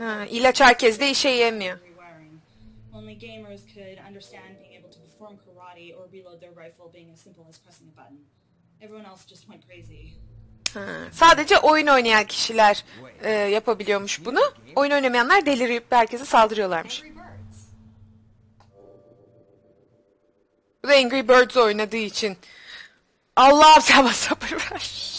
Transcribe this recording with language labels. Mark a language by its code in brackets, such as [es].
[tr] İlaç herkes de işe yemiyor. [en] Only gamers could understand being able to perform karate or reload their rifle being as simple as pressing a button. Everyone else just went crazy. [tr] Sadece oyun oynayan kişiler yapabiliyormuş bunu. Oyun oynamayanlar delirip herkese saldırıyorlarmış. Bu da Angry Birds oynadığı için. Allah'ım sana sabır ver.